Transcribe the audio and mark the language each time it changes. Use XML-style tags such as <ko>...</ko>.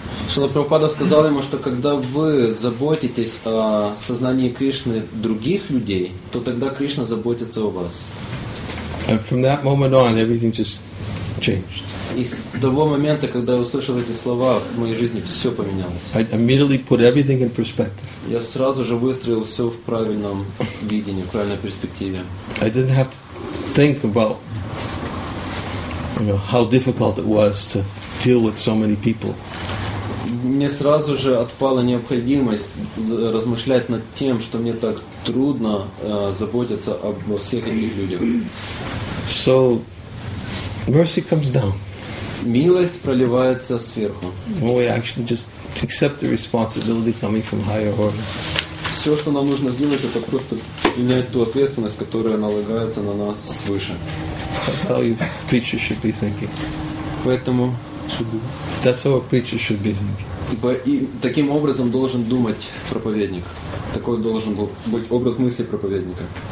<ru>Шрила Прабхупада сказал ему, что когда вы заботитесь о сознании Кришны других людей, то тогда Кришна заботится о вас.</ru> <en>And from that moment on, everything just changed.</en> <ru>И с того момента, когда я услышал эти слова, в моей жизни все поменялось.</ru> <en>I immediately put everything in perspective.</en> <ru>Я сразу же выстроил все в правильном видении, в правильной перспективе.</ru> <en>I didn't have to think about, how difficult it was to deal with so many people.</en> <ru>Мне сразу же отпала необходимость размышлять над тем, что мне так трудно заботиться обо всех этих людях.</ru> <en>So, mercy comes down.</en> <ru>Милость проливается сверху.</ru> <en>We actually just accept the responsibility coming from higher order.</en> <ru>Все, что нам нужно сделать, это просто принять ту ответственность, которая налагается на нас свыше.</ru> <en>That's how your preacher should be thinking.</en> <ru>Поэтому</ru> <en>That's how a preacher should be thinking.</en> <ru>И таким образом должен думать проповедник. Такой должен был быть образ мысли проповедника.</ru>